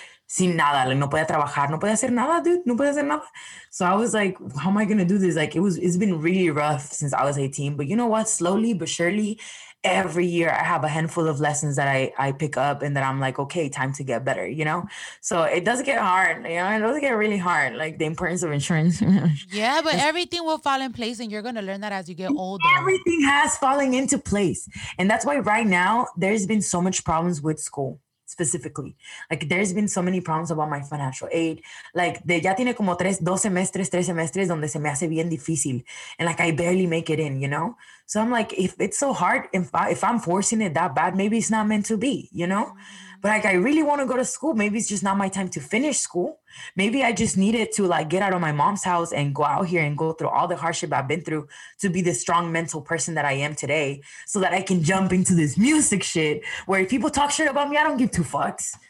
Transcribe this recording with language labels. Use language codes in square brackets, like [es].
[es] sin nada, like no podía trabajar, no podía hacer nada, dude, no podía hacer nada. [en] So I was like, how am I gonna do this? Like, it's been really rough since I was 18, but you know what? Slowly but surely, every year I have a handful of lessons that I pick up and that I'm like, okay, time to get better, you know? So it does get hard, you know? It does get really hard, like the importance of insurance. Yeah, but everything will fall in place and you're gonna learn that as you get older. Everything has fallen into place. And that's why right now there's been so much problems with school. Specifically, like there's been so many problems about my financial aid. [es] Like, de ya tiene como tres semestres donde se me hace bien difícil. [en] And like, I barely make it in, you know? So I'm like, if it's so hard, if I'm forcing it that bad, maybe it's not meant to be, you know? But like, I really want to go to school. Maybe it's just not my time to finish school. Maybe I just needed to like get out of my mom's house and go out here and go through all the hardship I've been through to be the strong mental person that I am today so that I can jump into this music shit where if people talk shit about me, I don't give two fucks.